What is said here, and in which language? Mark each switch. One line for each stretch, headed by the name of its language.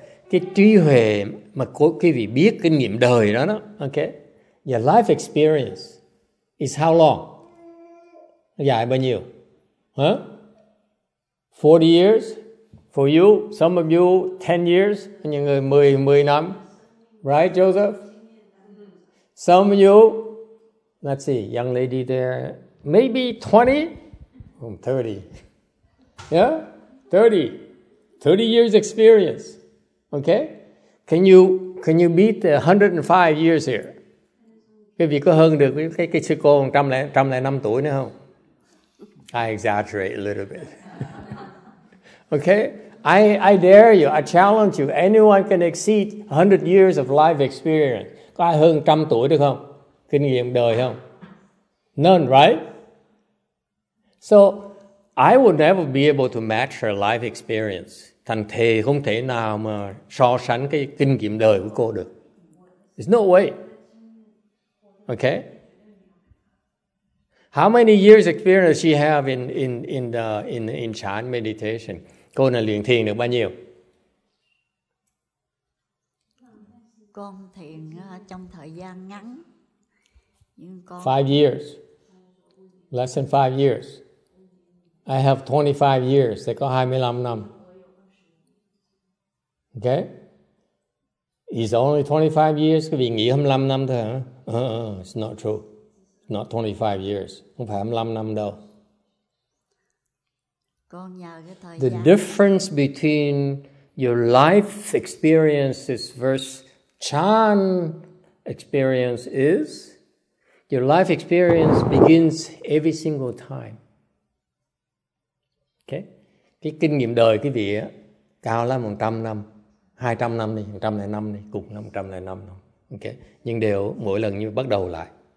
Vietnamese: cái trí huệ mà có cái vị biết kinh nghiệm đời đó đó, okay,
English: your life experience is how long?
Vietnamese: Dài bao nhiêu?
English: 40 years? For you, some of you, 10 years, những người 10 năm, right, Joseph? Some of you, let's see, young lady there, maybe 20, 30, yeah, 30 years experience, okay? Can you beat the 105 years here?
Vietnamese: Cái vị có hơn được cái sư cô 105 tuổi nữa không?
English: I exaggerate a little bit. Okay? I dare you, I challenge you. Anyone can exceed 100 years of life experience.
Vietnamese: Có ai hơn 100 tuổi được không? Kinh nghiệm đời không? None, right?
English: So, I would never be able to match her life experience.
Vietnamese: Thành thề không thể nào mà so sánh cái kinh nghiệm đời của cô được.
English: There's no way. Okay? How many years experience she have in chan meditation?
Vietnamese: Cô này luyện thiền được bao nhiêu? Con thiền trong thời gian ngắn.
English: Nhưng con... 5 years. Less than 5 years. I have 25 years. Sẽ có 25 năm. Okay? It's only 25 years.
Vietnamese: Vì nghỉ 25 năm thôi hả? It's not true. Not 25 years. Không phải 25 năm đâu. Con nhờ cái thời gian...
English: The difference between your life experiences versus Chan experience is your life experience begins every single time. Okay?
Vietnamese: Cái kinh nghiệm đời cái vị á, cao lắm 100 năm, 200 năm đi, 105 đi, cùng 105 năm. Okay? Nhưng đều mỗi lần như bắt đầu lại.